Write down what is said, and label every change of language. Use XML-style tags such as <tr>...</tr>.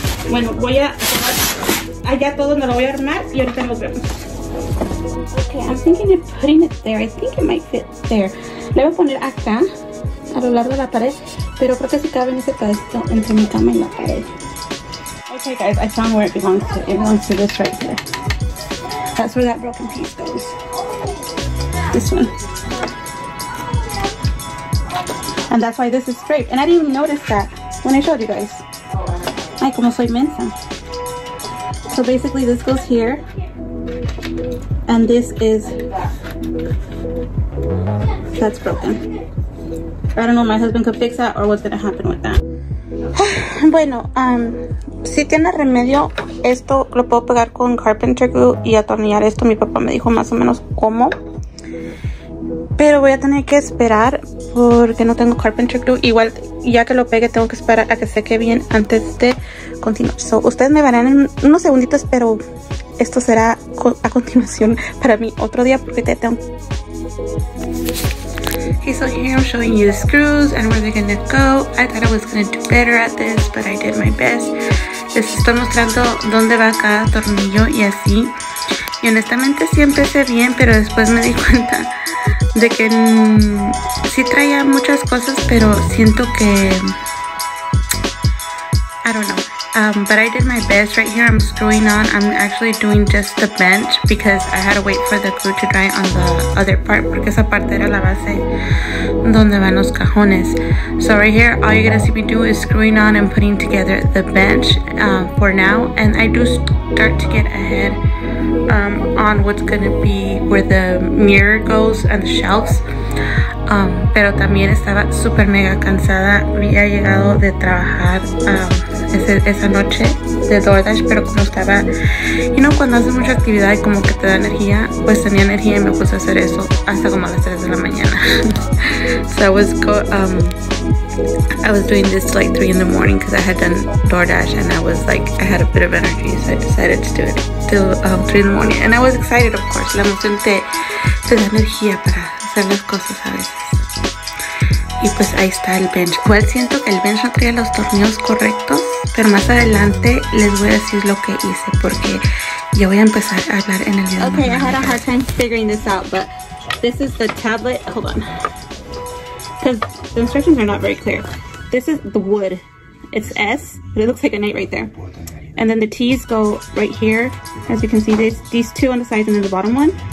<es>Bueno, voy a allá todo donde lo voy a armar y ahorita nos vemos.</es> <en>Okay, I'm thinking of putting it there. I think it might fit there.</en> <es>Le voy a poner acá, a lo largo de la pared. Pero creo que si cabe en ese pedestal entre mi cama y la pared.</es> <en>Okay, guys, I found where it belongs to. It belongs to this right here. That's where that broken piece goes. This one. And that's why this is straight. And I didn't even notice that when I showed you guys.</en> <es>Ay, como soy mensa.</es> <en>So basically, this goes here. And this is, that's broken. I don't know if my husband could fix that or what's gonna happen with that.</en> <es>Bueno, si tiene remedio, esto lo puedo pegar con carpenter glue y atornillar esto. Mi papá me dijo más o menos cómo. Pero voy a tener que esperar porque no tengo carpenter glue. Igual, ya que lo pegue, tengo que esperar a que seque bien antes de continuar. So, ustedes me verán en unos segunditos, pero esto será a continuación para mí otro día porque te tengo.</es> <en>Okay, so here I'm showing you the screws and where they're gonna go. I thought I was gonna do better at this, but I did my best.</en> <es>Les estoy mostrando dónde va cada tornillo y así. Y honestamente sí empecé bien, pero después me di cuenta de que sí traía muchas cosas, pero siento que,</es> <en>I don't know. But I did my best right here. I'm screwing on. I'm actually doing just the bench because I had to wait for the glue to dry on the other part.</en> <es>Porque esa parte era la base donde van los cajones.</es> <en>So right here, all you're gonna see me do is screwing on and putting together the bench for now. And I do start to get ahead. on what's gonna be where the mirror goes and the shelves.</en> <es>Pero también estaba super mega cansada. Había llegado de trabajar esa noche de DoorDash, pero como estaba, you know, cuando haces mucha actividad y como que te da energía, pues tenía energía y me puse a hacer eso hasta como a las 3 de la mañana.</es> <en>So I was doing this like 3 in the morning because I had done DoorDash and I was like, I had a bit of energy, so I decided to do it till 3 in the morning. And I was excited, of course.</en> <es>La emoción te da energía para hacer las cosas a veces. Y pues ahí está el bench. Igual siento que el bench no traía los tornillos correctos, pero más adelante les voy a decir lo que hice porque yo voy a empezar a hablar en el video.</es> <en>Okay, I had a hard time figuring this out, but this is the tablet. Hold on. Because the instructions are not very clear. This is the wood. It's S, but it looks like an 8 right there. And then the T's go right here. As you can see, these two on the sides and then the bottom one.</en>